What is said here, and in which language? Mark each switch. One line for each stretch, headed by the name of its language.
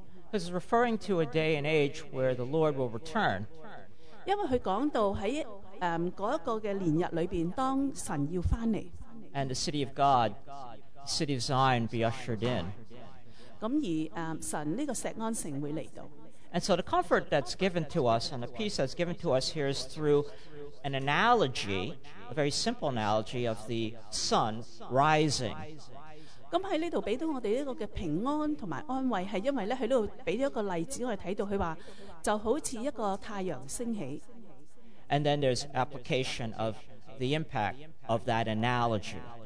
English: This is referring to a day and age where the Lord will return.
Cantonese: 因為佢講到喺嗰一個嘅年日裏邊，當神要翻嚟。
English: And the city of God, the city of Zion, be ushered in.
Cantonese: 咁而神呢個錫安城會嚟到。
English: And so the comfort that's given to us and the peace that's given to us here is through an analogy, a very simple analogy of the sun rising. And then there's application of the impact of that analogy.